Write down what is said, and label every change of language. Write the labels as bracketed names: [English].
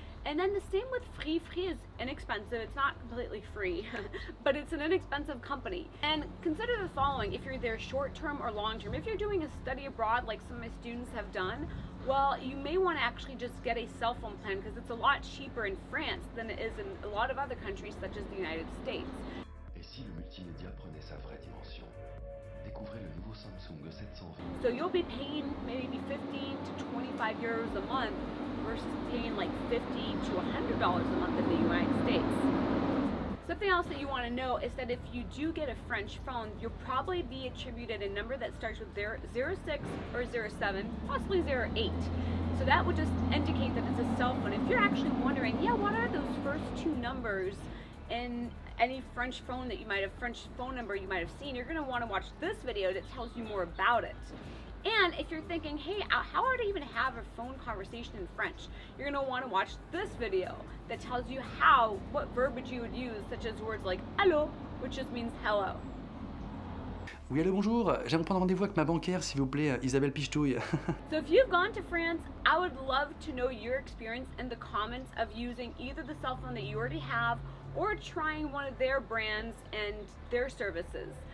[English] And then the same with Free. Free is inexpensive. It's not completely free, but it's an inexpensive company. And consider the following if you're there short term or long term. If you're doing a study abroad like some of my students have done, well, you may want to actually just get a cell phone plan because it's a lot cheaper in France than it is in a lot of other countries such as the United States. [French] Et si le multimédia prenait sa vraie dimension, découvrez le nouveau Samsung 720. [English] So you'll be paying maybe 15 to 25 euros a month versus paying like 50 to 100 dollars a month in the United States. Something else that you want to know is that if you do get a French phone, you'll probably be attributed a number that starts with 06 or 07, possibly 08. So that would just indicate that it's a cell phone. If you're actually wondering, yeah, what are those first two numbers in any French phone that you might have, French phone number you might have seen, you're going to want to watch this video that tells you more about it. And if you're thinking, hey, how hard to even have a phone conversation in French, you're going to want to watch this video that tells you how, what verbiage you would use, such as words like allô, which just means hello. [French] Oui, allô, bonjour. J'aimerais prendre rendez-vous avec ma bancaire, s'il vous plaît, Isabelle Pichetouille. [English] So if you've gone to France, I would love to know your experience in the comments of using either the cell phone that you already have or trying one of their brands and their services.